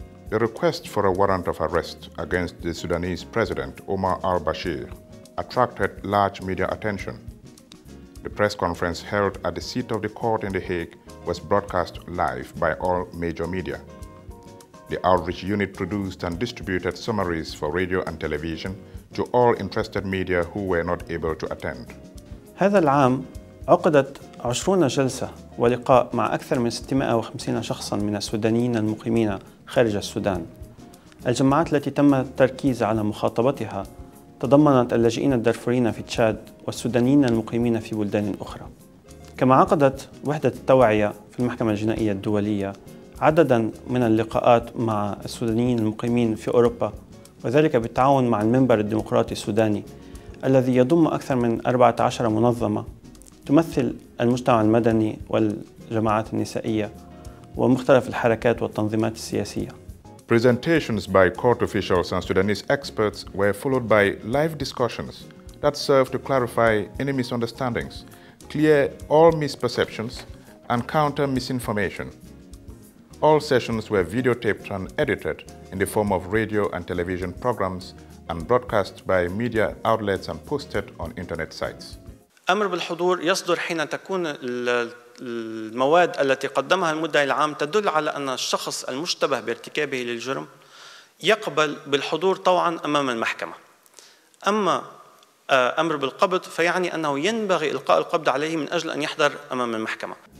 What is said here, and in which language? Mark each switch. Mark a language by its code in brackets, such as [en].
[en] The request for a warrant of arrest against the Sudanese president, Omar al-Bashir, attracted large media attention. The press conference held at the seat of the court in The Hague was broadcast live by all major media. The outreach unit produced and distributed summaries for radio and television to all interested media who were not able to attend. [ar] هذا العام عقدت 20 جلسة ولقاء مع أكثر من 650 شخصاً من السودانيين المقيمين خارج السودان. الجماعات التي تم التركيز على مخاطبتها تضمنت اللاجئين الدارفوريين في تشاد والسودانيين المقيمين في بلدان أخرى. كما عقدت وحدة التوعية في المحكمة الجنائية الدولية عدداً من اللقاءات مع السودانيين المقيمين في أوروبا، وذلك بالتعاون مع المنبر الديمقراطي السوداني الذي يضم أكثر من 14 منظمة تمثل المجتمع المدني والجماعات النسائية ومختلف الحركات والتنظيمات السياسية. [en] Presentations by court officials and Sudanese experts were followed by live discussions that served to clarify any misunderstandings, clear all misperceptions, and counter misinformation. All sessions were videotaped and edited in the form of radio and television programs and broadcast by media outlets and posted on internet sites. [ar] أمر بالحضور يصدر حين تكون المواد التي قدمها المدعي العام تدل على أن الشخص المشتبه بارتكابه للجرم يقبل بالحضور طوعا أمام المحكمة. أما أمر بالقبض فيعني أنه ينبغي إلقاء القبض عليه من أجل أن يحضر أمام المحكمة.